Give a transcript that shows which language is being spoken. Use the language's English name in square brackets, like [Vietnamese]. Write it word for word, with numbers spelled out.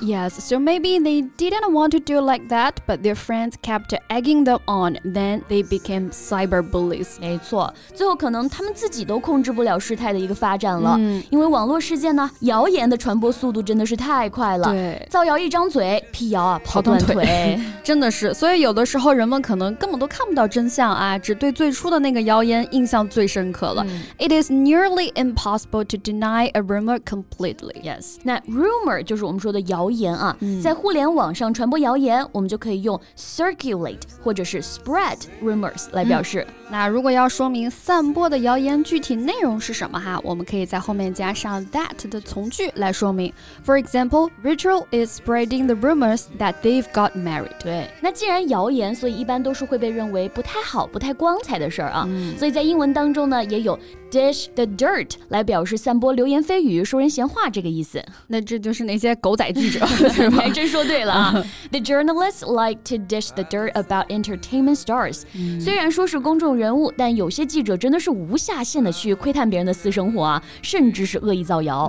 [English] Yes, so maybe they didn't want to do like that, but their friends kept egging them on. Then they became cyber bullies. [Chinese] 没错，最后可能他们自己都控制不了事态的一个发展了、嗯、因为网络世界呢谣言的传播速度真的是太快了，对，造谣一张嘴，辟谣啊跑断 腿, 腿真的是，所以有的时候人们可能根本都看不到真相啊，只对最初的那个谣言印象最深刻了、嗯、 [English] It is nearly impossible to deny a rumor completely. [Chinese] Yes. 那 rumor 就是我们说的谣言啊、嗯、在互联网上传播谣言我们就可以用 circulate 或者是 spread rumors 来表示、嗯、那如果要说明散播的谣言具体内容是什么哈，我们可以在后面加上 that 的从句来说明。 [English] For example, Rachel is spreading the rumors that they've got married. [Chinese] 对，那既然谣言，所以一般都是会被认为不太好不太光彩的事儿啊、嗯、所以在英文当中呢也有dish the dirt 来表示散播流言蜚语说人闲话这个意思。那这就是那些狗仔记者是吧？真说对了啊。 [English] The journalists like to dish the dirt about entertainment stars、 [Chinese] 嗯、虽然说是公众人物，但有些记者真的是无下限的去窥探别人的私生活啊，甚至是恶意造谣。